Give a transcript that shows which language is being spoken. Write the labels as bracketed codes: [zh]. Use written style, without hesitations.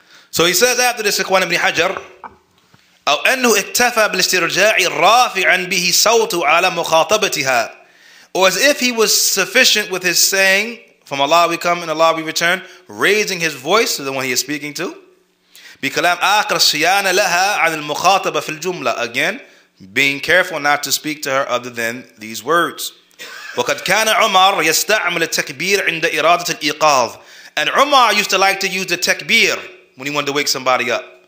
[en] So he says after this, [ar] Ikhwan ibn Hajar, أو أنه اكتفى بالاسترجاع رافعا به صوته على مخاطبتها. [en] Or as if he was sufficient with his saying, from Allah we come and Allah we return, raising his voice to the one he is speaking to. [ar] بكلام آخر صيانة لها عن المخاطبة في الجملة. [en] Again, being careful not to speak to her other than these words. [ar] وقد كان عمر يستعمل التكبير عند إرادة الإيقاظ. [en] And Umar used to like to use the takbir when he wanted to wake somebody up.